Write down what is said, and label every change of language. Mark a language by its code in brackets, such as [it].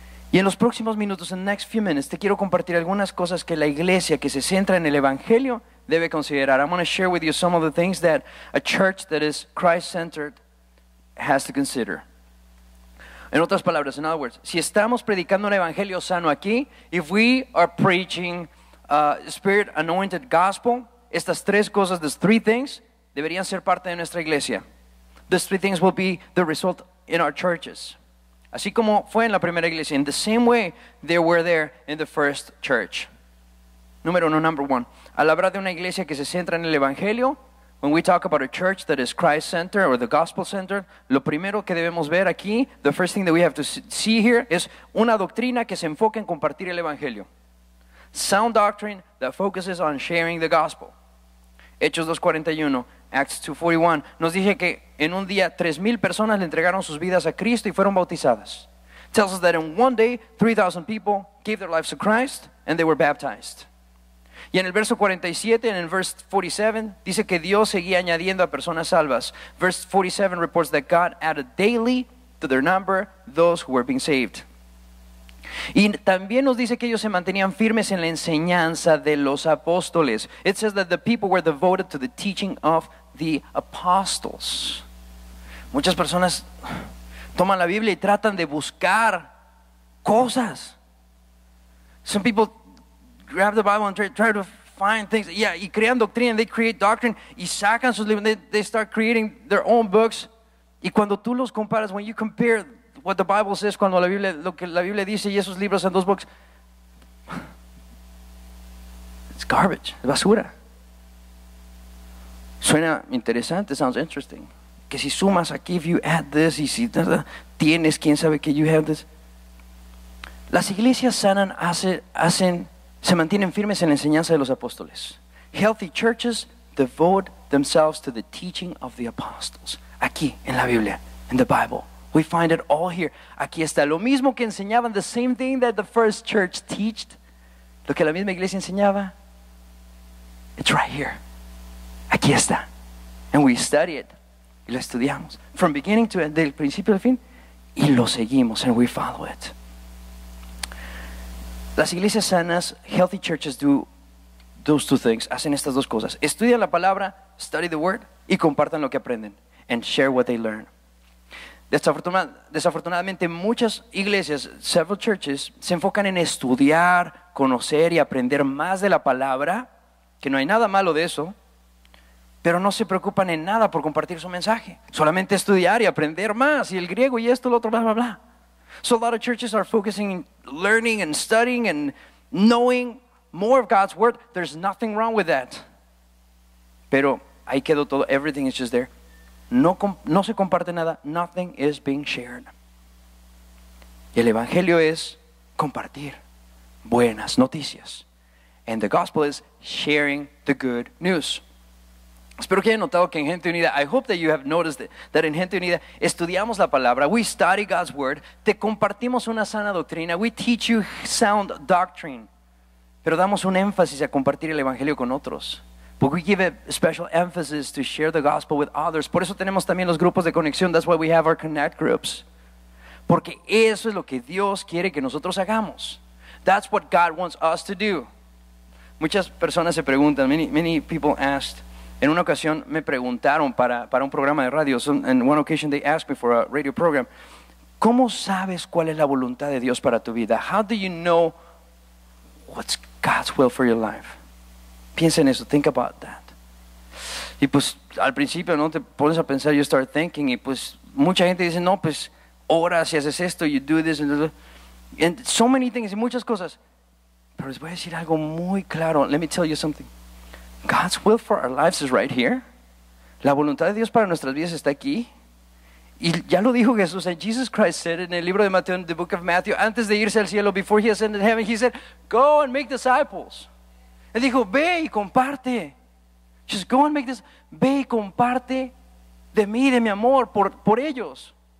[es] Y en los próximos minutos, en [en] next few minutes, [es] te quiero compartir algunas cosas que la iglesia que se centra en el evangelio debe considerar. [en] I'm going to share with you some of the things that a church that is Christ-centered has to consider. [es] En otras palabras, [en] in other words, [es] si estamos predicando el evangelio sano aquí, [en] if we are preaching spirit-anointed gospel, [es] estas tres cosas, [en] these three things, [es] deberían ser parte de nuestra iglesia. [en] These three things will be the result in our churches. [es] Así como fue en la primera iglesia, [en] in the same way they were there in the first church. [es] Número uno, [en] number one. [es] Al hablar de una iglesia que se centra en el evangelio, [en] when we talk about a church that is Christ-centered or the gospel-centered, [es] lo primero que debemos ver aquí, [en] the first thing that we have to see here, [es] es una doctrina que se enfoca en compartir el evangelio. [en] Sound doctrine that focuses on sharing the gospel. [es] Hechos 2:41, Acts 2:41, nos dice que en un día 3,000 personas le entregaron sus vidas a Cristo y fueron bautizadas. [en] Tells us that in one day, 3,000 people gave their lives to Christ and they were baptized. [es] Y en el verso 47, en el verse 47, dice que Dios seguía añadiendo a personas salvas. [en] Verse 47 reports that God added daily to their number those who were being saved. [es] Y también nos dice que ellos se mantenían firmes en la enseñanza de los apóstoles. [en] It says that the people were devoted to the teaching of the apostles. [es] Muchas personas toman la Biblia y tratan de buscar cosas. [en] Some people grab the Bible and try to find things. Yeah, [es] y crean doctrina, [en] they create doctrine, [es] y sacan sus libros, [en] they start creating their own books. [es] Y cuando tú los comparas, [en] when you compare what the Bible says, [es] cuando la Biblia, lo que la Biblia dice, y esos libros [en] and those books, it's garbage, [es] es basura. Suena interesante, [en] sounds interesting. [es] Que si sumas aquí, [en] if you add this, [es] y si tienes, quién sabe que [en] you have this. [es] Las iglesias sanan, se mantienen firmes en la enseñanza de los apóstoles. [en] Healthy churches devote themselves to the teaching of the apostles. [es] Aquí, en la Biblia, [en] in the Bible. We find it all here. [es] Aquí está lo mismo que enseñaban, [en] the same thing that the first church taught. [es] Lo que la misma iglesia enseñaba. [en] It's right here. [es] Aquí está. [en] And we study it. [es] Y lo estudiamos. [en] From beginning to end, [es] del principio al fin. Y lo seguimos, [en] and we follow it. [es] Las iglesias sanas, [en] healthy churches do those two things. [es] Hacen estas dos cosas. Estudian la palabra, [en] study the word, [es] y compartan lo que aprenden. [en] And share what they learn. [es] Desafortunadamente muchas iglesias, [en] several churches, [es] se enfocan en estudiar, conocer y aprender más de la palabra, que no hay nada malo de eso, pero no se preocupan en nada por compartir su mensaje. Solamente estudiar y aprender más, y el griego y esto, lo otro, bla, bla, bla. [en] So a lot of churches are focusing on learning and studying and knowing more of God's word. There's nothing wrong with that. [es] Pero ahí quedó todo, [en] everything is just there. [es] No se comparte nada. [en] Nothing is being shared. [es] Y el evangelio es compartir buenas noticias. [en] And the gospel is sharing the good news. [es] Espero que hayan notado que en Gente Unida, [en] I hope that you have noticed that in Gente Unida, [es] estudiamos la palabra, [en] we study God's word, [es] te compartimos una sana doctrina, [en] we teach you sound doctrine, [es] pero damos un énfasis a compartir el evangelio con otros. [en] But we give a special emphasis to share the gospel with others. [es] Por eso tenemos también los grupos de conexión. [en] That's why we have our connect groups. [es] Porque eso es lo que Dios quiere que nosotros hagamos. [en] That's what God wants us to do. [es] Muchas personas se preguntan, [en] many people asked, [es] en una ocasión me preguntaron para un programa de radio, [en] so in one occasion they asked me for a radio program, [es] ¿cómo sabes cuál es la voluntad de Dios para tu vida? [en] How do you know what's God's will for your life? [es] Piensa en eso, [en] think about that. [es] Y pues al principio, ¿no?, te pones a pensar, [en] you start thinking, [es] y pues mucha gente dice, no, pues oras y haces esto, [en] you do this, and And so many things, [es] y muchas cosas. Pero les voy a decir algo muy claro. [en] Let me tell you something. God's will for our lives is right here. [es] La voluntad de Dios para nuestras vidas está aquí. Y ya lo dijo Jesús. [en] And Jesus Christ said in [es] el libro de Mateo, [en] in the book of Matthew, [es] antes de irse al cielo, [en] before he ascended heaven, he said, go and make disciples. [es] Él dijo, ve y comparte. [en] Just go and make this. [es] Ve y comparte de mí, de mi amor, por ellos.